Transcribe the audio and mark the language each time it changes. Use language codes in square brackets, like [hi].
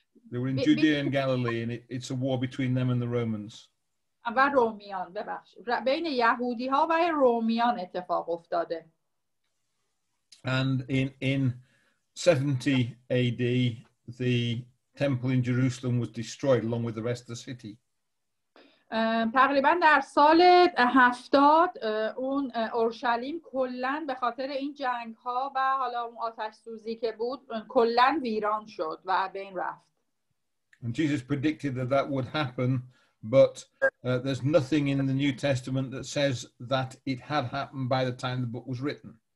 [en] They were in Judea and Galilee, and it's a war between them and the Romans. [fa] و رومیان ببخشید بین یهودی ها و رومیان اتفاق افتاده. [en] And in 70 AD, the temple in Jerusalem was destroyed along with the rest of the city. [fa] تقریبا در سال 70 اون اورشلیم کلاً به خاطر این جنگ ها و حالا اون آتش سوزی که بود کلاً ویران شد و بین رفت. [en] And Jesus predicted that that would happen, but there's nothing in the New Testament that says that it had happened by the time the book was written.